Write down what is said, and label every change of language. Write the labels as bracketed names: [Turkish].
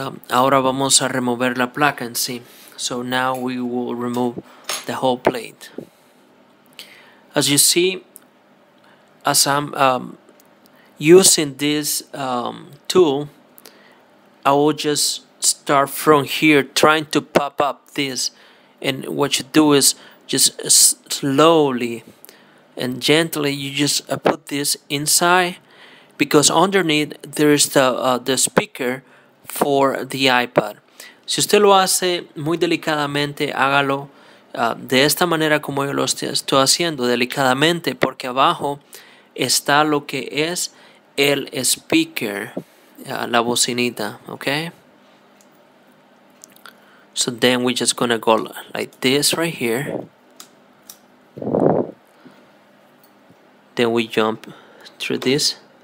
[Spanish] Ahora vamos a remover la placa en sí. [English] So now we will remove the whole plate. As you see, as I'm using this tool, I will just start from here trying to pop up this, and what you do is just slowly and gently you just put this inside, because underneath there is the speaker for the iPod. [Spanish] Si usted lo hace muy delicadamente, hágalo de esta manera como yo lo estoy haciendo, delicadamente, porque abajo está lo que es el speaker. La bocinita, okay? [English] So then we're just gonna go like this right here. Then we jump through this.